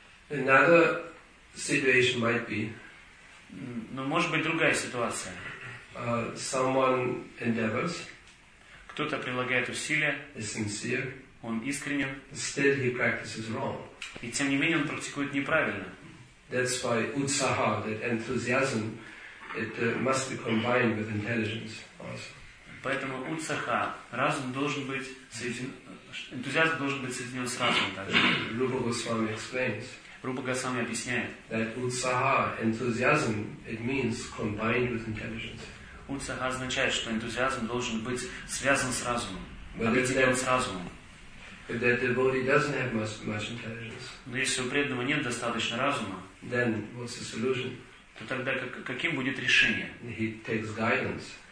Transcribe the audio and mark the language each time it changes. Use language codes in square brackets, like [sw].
[en] Another situation might be. [ru] Но может быть другая ситуация. [en] Someone endeavors. [ru] Кто-то прилагает усилия. [en] Is sincere. [ru] Он искренен. [en] Still he practices wrong. [ru] И тем не менее он практикует неправильно. [en] That's why utsaha, that enthusiasm, it must be combined with intelligence also. [ru] Поэтому утсаха, разум должен быть соединен, энтузиазм должен быть соединен с разумом также. [en] Rupa Goswami explains. [ru] Rupa Goswami объясняет. [en] That utsaha, enthusiasm, it means combined with intelligence. [ru] Утсаха означает, что энтузиазм должен быть связан с разумом, объединен с разумом. [en] If that devotee doesn't have much intelligence. [ru] Но если у преданного нет достаточно разума, [en] then what's the solution? [ru] То тогда каким будет решение? [en] He takes guidance.